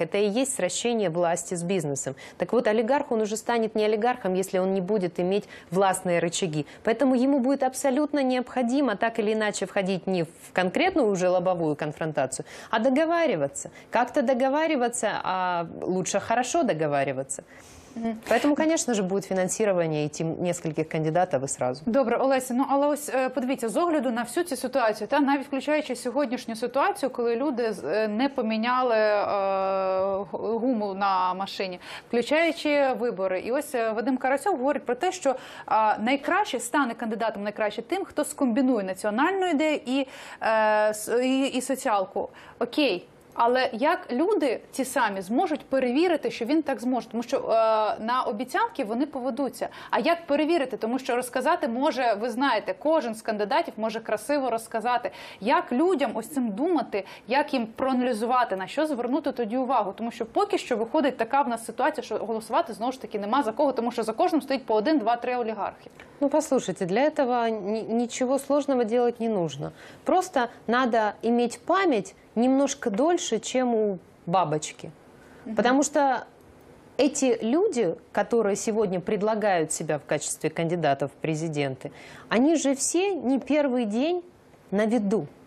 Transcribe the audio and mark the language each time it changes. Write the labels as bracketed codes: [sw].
[ru] Это и есть сращение власти с бизнесом. Так вот, олигарх, он уже станет не олигархом, если он не будет иметь властные рычаги. Поэтому ему будет абсолютно необходимо так или иначе входить не в конкретную уже лобовую конфронтацию, а договариваться. Как-то договариваться, а лучше хорошо договариваться. [uk] Тому, звісно, буде фінансування і тим нескільких кандидатів і одразу. Добре, Олеся, ну але ось подивіться, з огляду на всю цю ситуацію, та навіть включаючи сьогоднішню ситуацію, коли люди не поміняли гуму на машині, включаючи вибори. І ось Вадим Карасьов говорить про те, що найкраще стане кандидатом найкраще тим, хто скомбінує національну ідею і соціалку. Окей. Але як люди ті самі зможуть перевірити, що він так зможе? Тому що на обіцянки вони поведуться. А як перевірити? Тому що розказати може, ви знаєте, кожен з кандидатів може красиво розказати. Як людям ось цим думати, як їм проаналізувати, на що звернути тоді увагу? Тому що поки що виходить така в нас ситуація, що голосувати, знову ж таки, нема за кого, тому що за кожним стоїть по 1-2-3 олігархи. [ru] Ну, послушайте, для этого ничего сложного делать не нужно. Просто надо иметь память немножко дольше, чем у бабочки. Потому что эти люди, которые сегодня предлагают себя в качестве кандидатов в президенты, они же все не первый день на виду.